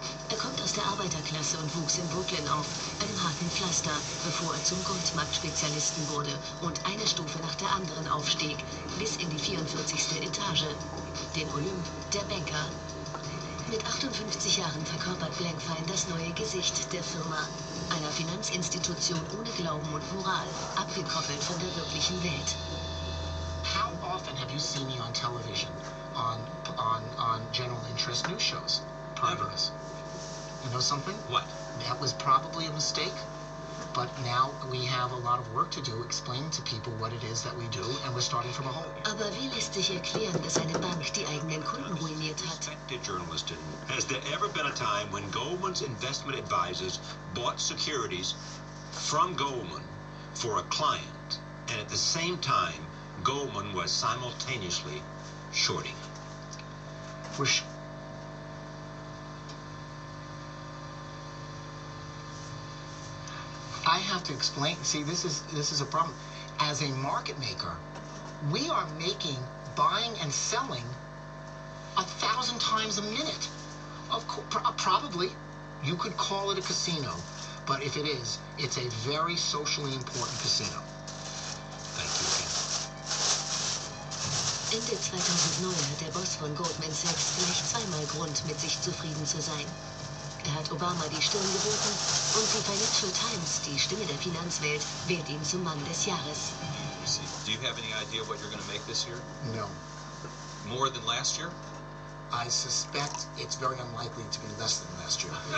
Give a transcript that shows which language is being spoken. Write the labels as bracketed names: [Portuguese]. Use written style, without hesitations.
[German] Er kommt aus der Arbeiterklasse und wuchs in Brooklyn auf, einem harten Pflaster, bevor er zum Goldmarktspezialisten wurde und eine Stufe nach der anderen aufstieg, bis in die 44. Etage, den Olymp der Banker. Mit 58 Jahren verkörpert Blankfein das neue Gesicht der Firma, einer Finanzinstitution ohne Glauben und Moral, abgekoppelt von der wirklichen Welt. [English] How often have you seen me on television, on general interest news shows? Privatize. You know something? What? That was probably a mistake, but now we have a lot of work to do explaining to people what it is that we do, and we're starting from a hole. [German] Aber wie lässt sich erklären, dass eine Bank die eigenen Kunden ruiniert hat? [English] Respected journalist, has there ever been a time when Goldman's investment advisors bought securities from Goldman for a client, and at the same time, Goldman was simultaneously shorting? I have to explain. See, this is a problem. As a market maker, we are making, buying and selling 1,000 times a minute. Of course, probably you could call it a casino, but if it is, it's a very socially important casino. Thank you. [German] Ende 2009 hat der Boss von Goldman Sachs gleich zweimal Grund, mit sich zufrieden zu sein. Er hat Obama die Stirn geboten und die Financial Times, die Stimme der Finanzwelt, wählt ihn zum Mann des Jahres. [English] Do you have any idea what you're going to make this year? No. More than last year? I suspect it's very unlikely to be less than last year.